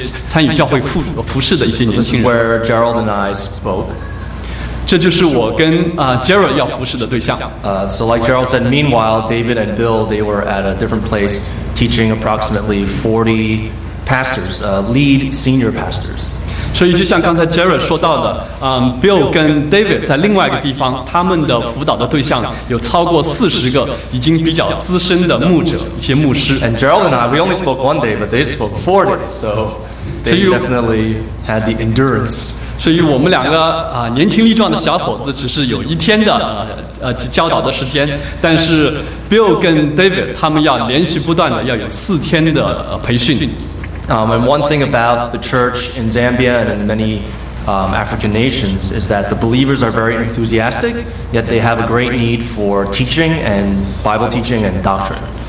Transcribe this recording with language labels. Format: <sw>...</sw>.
<zh>你们看到这里面很多的年轻人，他们都是参与教会的侍奉，比如说主日学呀、青少年辅导的一些参与教会服饰的一些年轻人。</zh> <en>So this is where Gerald and I spoke.</en> <zh>这就是我 跟 Gerald 要服侍的对象。</zh> <en>So like Gerald said, meanwhile, David and Bill, they were at a different place teaching approximately 40 pastors, lead senior pastors.</en> <zh>所以就像刚才 Gerald 说到的, Bill 跟 David 在另外一个地方，他们的辅导的对象有超过40个已经比较资深的牧者，一些牧师。</zh> <en>And Gerald and I, we only spoke one day, but they spoke 40, so they definitely had the endurance.</en> <zh>所以我们两个 年轻力壮的小伙子只是有一天的 教导的时间，但是 Bill 跟 David 他们要连续不断的要有4天的 培训。</zh> <en>And one thing about the church in Zambia and in many African nations is that the believers are very enthusiastic, yet they have a great need for teaching and Bible teaching and doctrine.</en>